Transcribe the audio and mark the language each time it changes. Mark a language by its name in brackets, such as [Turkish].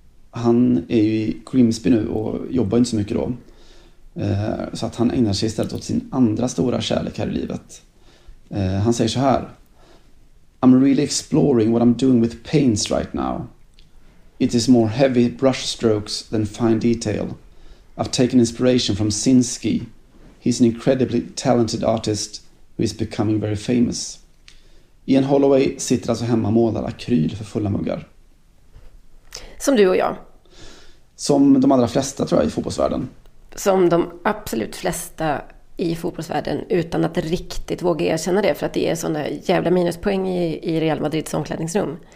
[Swedish] Han är ju i Grimsby nu och jobbar inte så mycket då. Så att han ägnar sig istället åt sin andra stora kärlek här i livet. Han säger så här: [English] I'm really exploring what I'm doing with paints right now. It is more heavy brush strokes than fine detail. I've taken inspiration from Sinsky. He's an incredibly talented artist who is becoming very famous. [Swedish] Ian Holloway sitter alltså hemma och målar akryl för fulla muggar. Som du och jag. Som de allra flesta tror jag i fotbollsvärlden. Som de absolut flesta i fotbollsvärlden utan att riktigt våga erkänna det, för att det är sådana jävla minuspoäng i Real Madrids omklädningsrum.